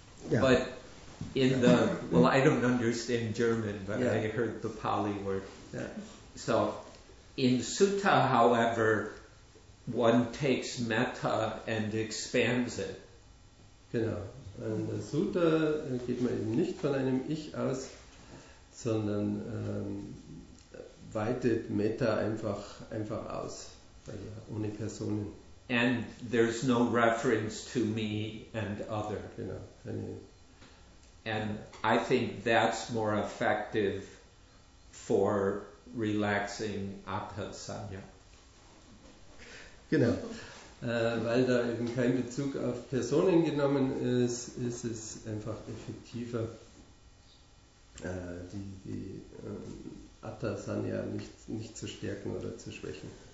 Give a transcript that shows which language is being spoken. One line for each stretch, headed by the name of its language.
English: But in the, well, I don't understand German, but yeah. I heard the Pali word. Yeah. So, in Sutta, however, one takes metta and expands it.
German: Genau. In der Sutta geht man eben nicht von einem Ich aus, sondern weitet metta einfach aus, also ohne Personen.
English: And there's no reference to me and other.
German: Genau.
English: And I think that's more effective for relaxing Atta-Sanya.
German: Genau. Weil da eben kein Bezug auf Personen genommen ist, ist es einfach effektiver, die Atta-Sanya nicht zu stärken oder zu schwächen.